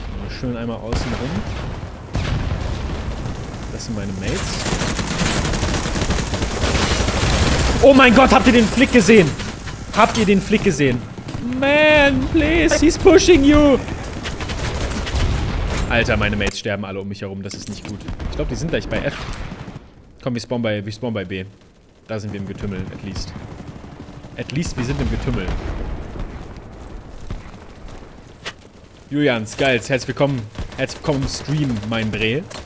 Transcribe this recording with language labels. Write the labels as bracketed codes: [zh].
[de] Schön einmal außen rum. Das sind meine Mates. Oh mein Gott, habt ihr den Flick gesehen? Habt ihr den Flick gesehen? [en] Man, please, he's pushing you. [de] Alter, meine Mates sterben alle um mich herum. Das ist nicht gut. Ich glaube, die sind gleich bei F. Komm, wir spawnen bei B. Da sind wir im Getümmel, [en] at least. At least, [de] wir sind im Getümmel. Julian, Skulls, herzlich willkommen. Herzlich willkommen im Stream, mein Dreh.